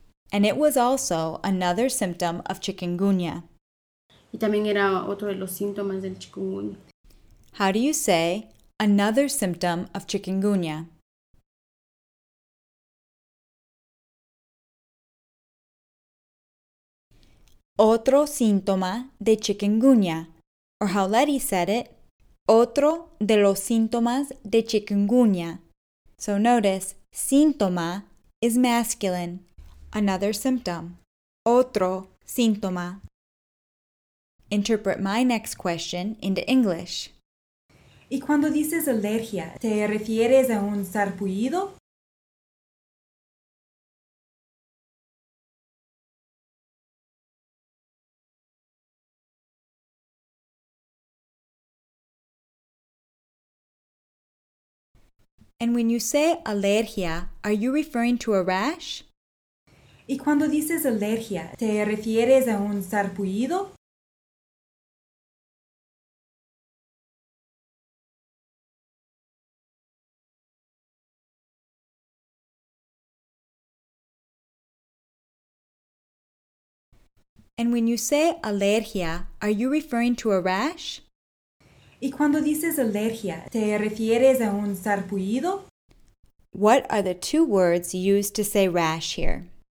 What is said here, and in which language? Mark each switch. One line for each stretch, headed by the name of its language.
English: And it was also another symptom of chikungunya.
Spanish: Y también era otro de los síntomas del chikungunya.
English: How do you say another symptom of chikungunya?
Spanish: Otro síntoma de chikungunya.
English: Or how Letty said it,
Spanish: otro de los síntomas de chikungunya.
English: So notice, síntoma is masculine. Another symptom.
Spanish: Otro síntoma.
English: Interpret my next question into English.
Spanish: ¿Y cuando dices alergia, te refieres a un sarpullido?
English: And when you say alergia, are you referring to a rash?
Spanish: ¿Y cuando dices alergia, te refieres a un sarpullido?
English: And when you say alergia, are you referring to a rash?
Spanish: ¿Y cuando dices alergia, te refieres a un sarpullido?
English: What are the two words used to say rash here?